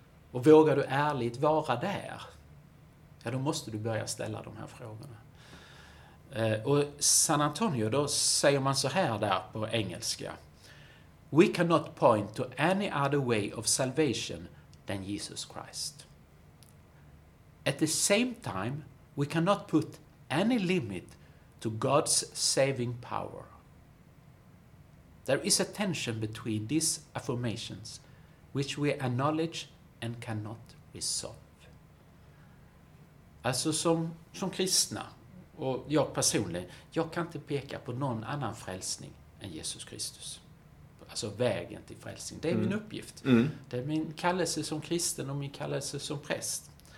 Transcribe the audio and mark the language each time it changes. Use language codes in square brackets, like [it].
[sv] Och vågar du ärligt vara där, ja, då måste du börja ställa de här frågorna. Och San Antonio, då säger man så här där på engelska: [en] "We cannot point to any other way of salvation than Jesus Christ. At the same time, we cannot put any limit to God's saving power. There is a tension between these affirmations, which we acknowledge and cannot resolve." [sv] Alltså som kristna, och jag personligen, jag kan inte peka på någon annan frälsning än Jesus Kristus. Alltså vägen till frälsning. Det är min uppgift. Mm. Det är min kallelse som kristen och min kallelse som präst.